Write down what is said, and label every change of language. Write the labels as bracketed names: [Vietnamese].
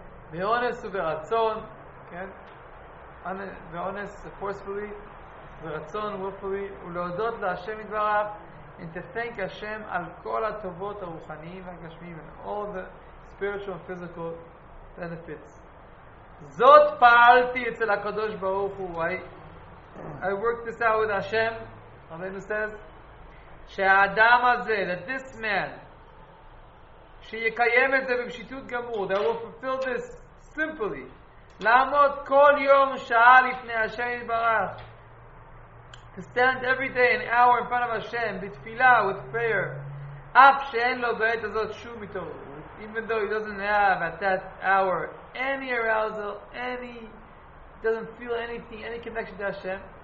[Hebrew] באונס וברצון, כן? באונס [English] forcefully, [Hebrew] ברצון [English] willfully, [Hebrew] ולהודות להשם יתברך, [English] and to thank Hashem [Hebrew] על כל הטובות הרוחניים והגשמיים [English] and all the spiritual and physical benefits. [Hebrew] זאת פעלתי אצל הקדוש ברוך הוא. [English] I worked this out with Hashem. Rabbeinu says [Hebrew] שהאדם הזה, [English] that this man [Hebrew] שיקיים את זה במשיתות גמור, [English] that will fulfill this simply, [Hebrew] לעמוד כל יום שעה לפני Hashem יתברך, [English] to stand every day an hour in front of Hashem [Hebrew] בתפילה, [English] with prayer, [Hebrew] אף שאין לו בעת הזאת שום התעוררות, [English] even though he doesn't have at that hour any arousal, any, doesn't feel anything, any connection to Hashem,